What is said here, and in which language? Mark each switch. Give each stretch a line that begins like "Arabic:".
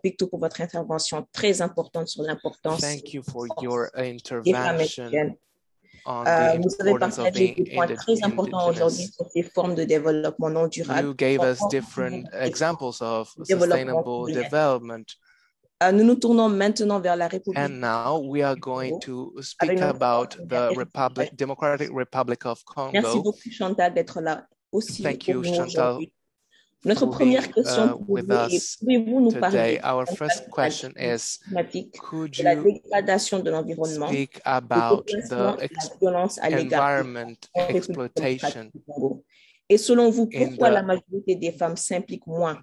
French: Pictou, pour votre intervention très importante sur l'importance.
English: Thank you for your intervention.
French: Vous avez partagé des points très importants aujourd'hui sur ces formes de développement non durable.
English: You gave us different examples of sustainable development.
French: Nous nous tournons maintenant vers la République.
English: And now we are going to speak about the Republic, Democratic Republic of Congo.
French: Merci beaucoup, Chantal, d'être là aussi.
English: Thank you, Chantal.
French: Notre première question pour vous est, pouvez-vous nous parler
English: our first question is, could you
French: de la dégradation de l'environnement
English: speak about the
French: violence à
English: environment exploitation
French: et selon vous pourquoi la majorité des femmes s'impliquent moins